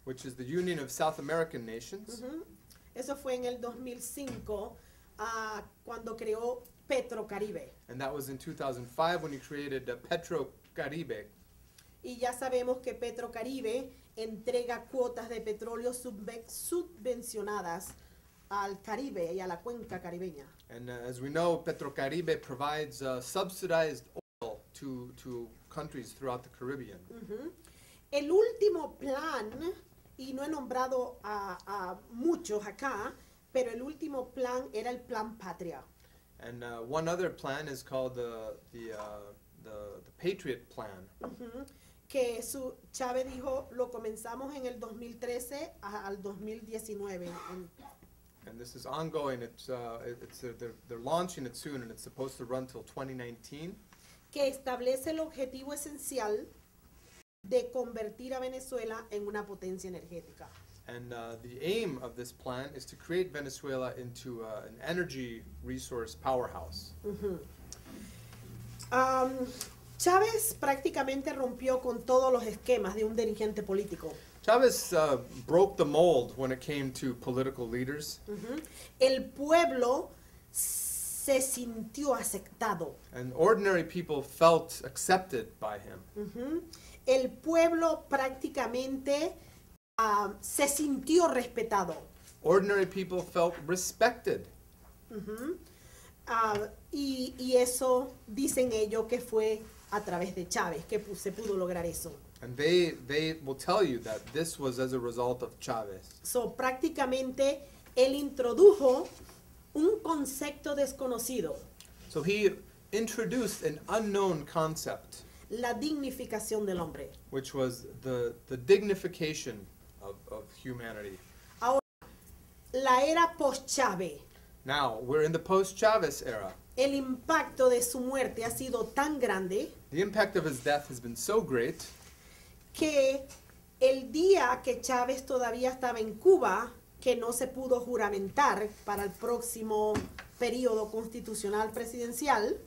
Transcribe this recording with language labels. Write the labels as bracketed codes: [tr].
[en] which is the Union of South American Nations. [es] Mm-hmm. Eso fue en el 2005, cuando creó Petrocaribe. [en] And that was in 2005 when he created the Petrocaribe. [es] Y ya sabemos que Petrocaribe entrega cuotas de petróleo subvencionadas al Caribe y a la cuenca caribeña. [en] And as we know, Petrocaribe provides subsidized oil to countries throughout the Caribbean. Mm-hmm. [es] El último plan, y no he nombrado a muchos acá, pero el último plan era el Plan Patria. [en] And one other plan is called the Patriot Plan. Mm-hmm. [es] Que su Chávez dijo, lo comenzamos en el 2013 al 2019. [en] And this is ongoing. They're launching it soon, and it's supposed to run till 2019. [es] Que establece el objetivo esencial de convertir a Venezuela en una potencia energética. [en] And the aim of this plan is to create Venezuela into an energy resource powerhouse. Mm-hmm. [es] Chávez prácticamente rompió con todos los esquemas de un dirigente político. [en] Chávez broke the mold when it came to political leaders. [es] Mm-hmm. El pueblo se sintió aceptado. [en] And ordinary people felt accepted by him. [es] Mm-hmm. El pueblo prácticamente se sintió respetado. [en] Ordinary people felt respected. Uh-huh. [es] Y eso dicen ellos que fue a través de Chávez que se pudo lograr eso. [en] And they will tell you that this was as a result of Chávez. [es] So prácticamente él introdujo un concepto desconocido. [en] So he introduced an unknown concept. [es] La dignificación del hombre. [en] Which was the dignification of humanity. [es] Ahora, la era post-Chávez. [en] Now, we're in the post-Chávez era. [es] El impacto de su muerte ha sido tan grande. [en] The impact of his death has been so great. [es] Que el día que Chávez todavía estaba en Cuba, que no se pudo juramentar para el próximo periodo constitucional presidencial.